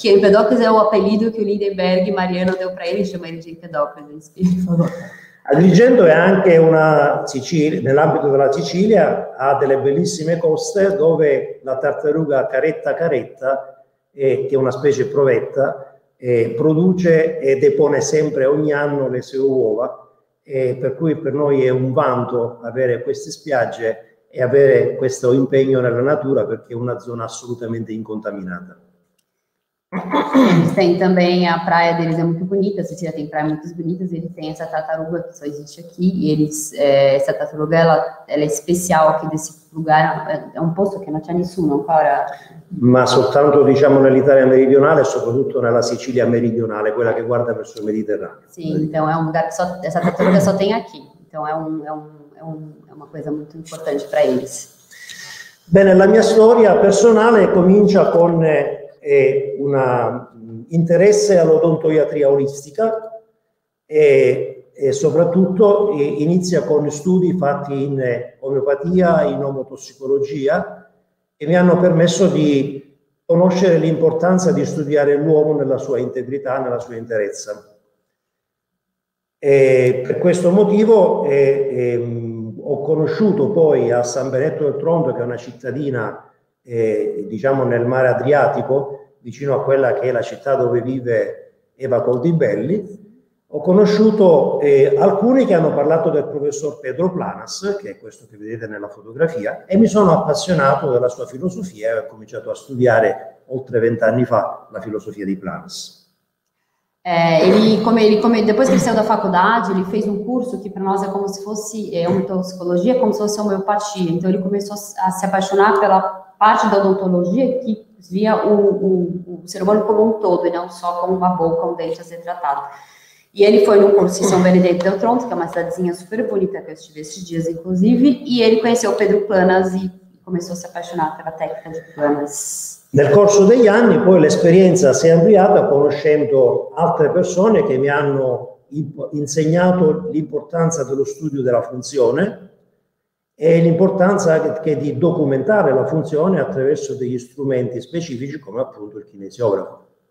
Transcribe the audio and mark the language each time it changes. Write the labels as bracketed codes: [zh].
[pt] Que Empedocles é o apelido que o Lindenberg Mariano deu para ele, chama ele de Empedocles. [it] Agrigento è anche una Sicilia, nell'ambito della Sicilia ha delle bellissime coste dove la tartaruga Caretta Caretta, che è una specie provetta, produce e depone sempre ogni anno le sue uova, per cui per noi è un vanto avere queste spiagge e avere questo impegno nella natura perché è una zona assolutamente incontaminata. [pt] Eles têm também a praia deles, é muito bonita. A Sicília tem praias muito bonitas. Eles têm essa tartaruga que só existe aqui. E eles, essa tartaruga ela é especial aqui desse lugar. É um posto que não tinha nisso, não, para. [it] Ma soltanto diciamo nell'Italia meridionale e soprattutto nella Sicilia meridionale, quella che guarda verso il Mediterraneo. [pt] Sim, então é um lugar que só, essa tartaruga só tem aqui. Então é uma coisa muito importante para eles. [it] Bene, la mia storia personale comincia con un interesse all'odontoiatria olistica e soprattutto inizia con studi fatti in omeopatia, in omotossicologia, che mi hanno permesso di conoscere l'importanza di studiare l'uomo nella sua integrità, nella sua interezza. E per questo motivo, ho conosciuto poi a San Benedetto del Tronto, che è una cittadina, diciamo, nel mare Adriatico, vicino a quella che è la città dove vive Eva Coldibelli, ho conosciuto alcuni che hanno parlato del professor Pedro Planas, che è questo che vedete nella fotografia, e mi sono appassionato della sua filosofia e ho cominciato a studiare oltre 20 anni fa la filosofia di Planas. [pt] Ele, depois que ele saiu da faculdade, ele fez um curso que para nós é como se fosse odontopsicologia, como se fosse homeopatia. Então ele começou a se apaixonar pela parte da odontologia que via o ser humano como um todo, e não só como uma boca, um dente a ser tratado. E ele foi num curso em São Benedito del Tronto, que é uma cidadezinha super bonita que eu estive esses dias, inclusive, e ele conheceu o Pedro Planas e começou a se apaixonar pela técnica de Planas. [it] Nel corso degli anni poi l'esperienza si è ampliata conoscendo altre persone che mi hanno insegnato l'importanza dello studio della funzione e l'importanza anche di documentare la funzione attraverso degli strumenti specifici come appunto il kinesiografo.